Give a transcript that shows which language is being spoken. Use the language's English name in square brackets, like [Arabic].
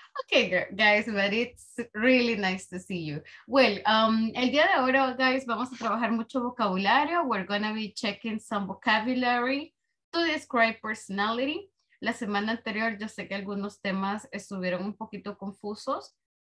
[English] Okay, guys, but it's really nice to see you. [Spanish] Well, el día de ahora, guys, vamos a trabajar mucho vocabulario. [English] We're going to be checking some vocabulary to describe personality. [Spanish] La semana anterior, yo sé que algunos temas estuvieron un poquito confusos.